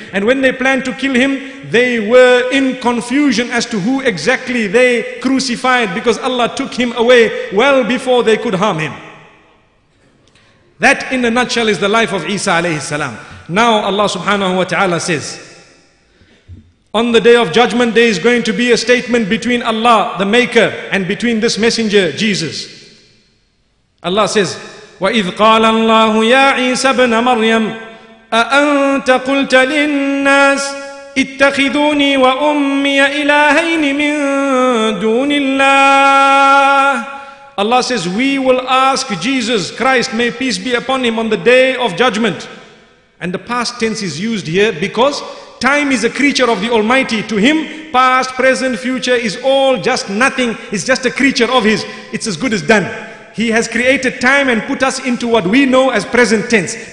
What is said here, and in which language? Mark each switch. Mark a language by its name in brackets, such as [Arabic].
[English] And when they planned to kill him, they were in confusion as to who exactly they crucified, because Allah took him away well before they could harm him. That in a nutshell is the life of Isa alayhi salam. Now Allah subhanahu wa ta'ala says, on the day of judgment day is going to be a statement between Allah the Maker and between this messenger Jesus. Allah says, [Arabic] وَإِذْ قَالَ اللَّهُ يَا عِيسَى بْنَ مَرْيَمَ أَأَنْتَ قُلْتَ لِلنَّاسِ اتَّخِذُونِي وَأُمِّيَ إِلَهَيْنِ مِن دُونِ اللَّهِ. [English] Allah says, we will ask Jesus Christ, may peace be upon him, on the day of judgment. And the past tense is used here because time is a creature of the Almighty. To him, past, present, future is all just nothing. It's just a creature of his. It's as good as done. He has created time and put us into what we know as present tense.